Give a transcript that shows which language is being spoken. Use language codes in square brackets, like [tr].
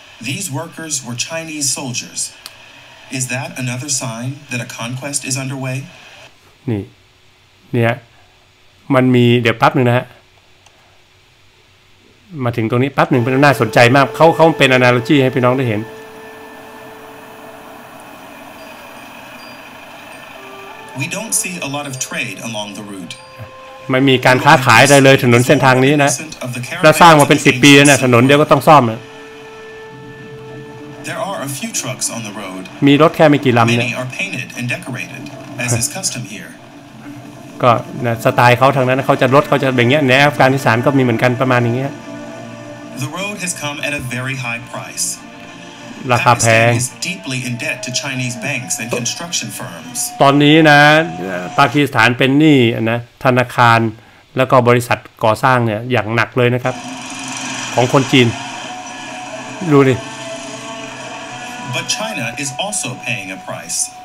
[en] These workers were Chinese soldiers. Is that another sign that a conquest is underway? [th] นี่เนี่ยมันมีเดี๋ยวแป๊บหนึ่งนะฮะมาถึงตรงนี้แป๊บหนึ่งเป็นน่าสนใจมากเขาเป็น analogy ให้พี่น้องได้เห็น [en] We don't see a lot of trade along the route. [th] ไม่มีการค้าขายใดเลยถนนเส้นทางนี้นะแล้วสร้างมาเป็น10ปีแล้วนะถนนเดียวก็ต้องซ่อมนะ [en] There are a few trucks on the road. [th] มีรถแค่ไม่กี่ลำเนี่ย [en] Many are painted and decorated as is custom here. [th] ก็นะสไตล์เขาทางนั้นเขาจะรถเขาจะแบบเงี้ยในอัฟกานิสถานก็มีเหมือนกันประมาณอย่างเงี้ย [en] The road has come at a very high price. [th] ราคาแพง [en] deeply in debt to Chinese banks and construction firms. [th] ตอนนี้นะปากีสถานเป็นหนี้นะธนาคารแล้วก็บริษัทก่อสร้างเนี่ยอย่างหนักเลยนะครับ ของคนจีนดูดิ [en] But China is also paying a price